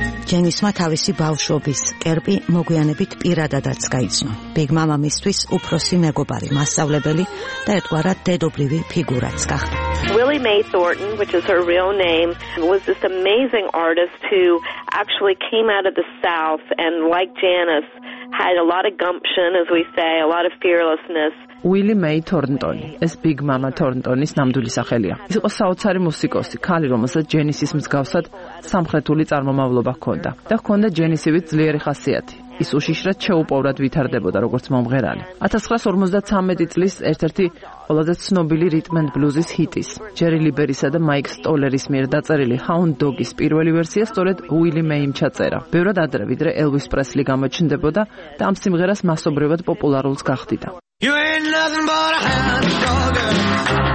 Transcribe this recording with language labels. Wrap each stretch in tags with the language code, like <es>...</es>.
<ka>ჯენისმა თავისი ბავშვობის კერპი მოგვიანებით პირადადაც გაიცნო. ბიგ მამამისთვის უფროსი მეგობარი, მასწავლებელი და ერთგვარად დედობრივი ფიგურაც გახდა.</ka> <en>Willie Mae Thornton, which is her real name, was this amazing artist who actually came out of the South and like Janis had a lot of gumption, as we say, a lot of fearlessness.</en> <ka>უილი მეი თორნტონი, ეს ბიგ მამა თორნტონის ნამდვილი სახელია. ის იყო საოცარი მუსიკოსი, ქალი, რომელსაც ჯენისის მსგავსად სამხრეთული წარმომავლობა ჰქონდა და ჰქონდა ჯენისივით ძლიერი ხასიათი. ის უშიშრად შეუპოვრად ვითარდებოდა როგორც მომღერალი. 1953 წლის ერთ-ერთი ყველაზე ცნობილი რიტმ ენდ ბლუზის ჰიტის, ჯერი ლიბერისა და მაიკ სტოლერის მიერ დაწერილი ჰაუნდ დოგის პირველი ვერსია სწორედ უილი მეიმ ჩაწერა. ბევრად ადრე, ვიდრე ელვის პრესლი გამოჩნდებოდა და ამ სიმღერას მასობრივად პოპულარულს გახდიდა.</ka> <en>You ain't nothing but a hound dog.</en>